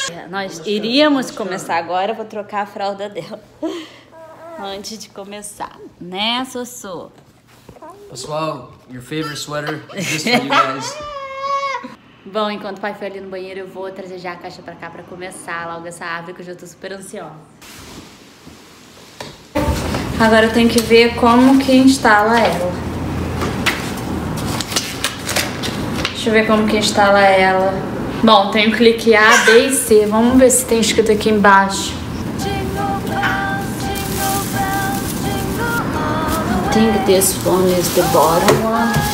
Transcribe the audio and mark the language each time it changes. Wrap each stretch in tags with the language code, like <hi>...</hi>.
<pt>Nós iríamos começar agora, eu vou trocar a fralda dela. Antes de começar, né, Sossô? Pessoal,</pt> <en>your favorite sweater, just for you guys.</en> <pt>Bom, enquanto o pai foi ali no banheiro, eu vou trazer já a caixa pra cá pra começar logo essa árvore, que eu já tô super ansiosa. Agora eu tenho que ver como que instala ela. Deixa eu ver como que instala ela. Bom, tem o clique A, B e C. Vamos ver se tem escrito aqui embaixo.</pt> <en>I think this one is the bottom one.</en>